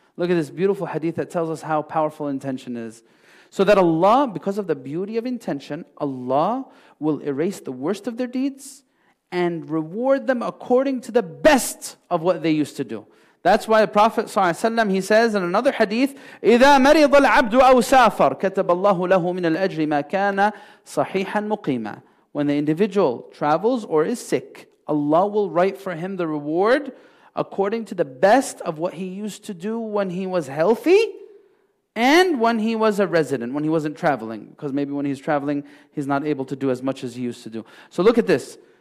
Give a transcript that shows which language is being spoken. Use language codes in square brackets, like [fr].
[en] Look at this beautiful hadith that tells us how powerful intention is. So that Allah, because of the beauty of intention, Allah will erase the worst of their deeds and reward them according to the best of what they used to do. That's why the Prophet ﷺ, he says in another hadith, [ar] إِذَا مَرِضَ الْعَبْدُ أَوْ سَافَرْ كَتَبَ اللَّهُ لَهُ مِنَ الْأَجْرِ مَا كَانَ صَحِيحًا مُقِيمًا. [en] When the individual travels or is sick, Allah will write for him the reward according to the best of what he used to do when he was healthy and when he was a resident, when he wasn't traveling. Because maybe when he's traveling, he's not able to do as much as he used to do. So look at this.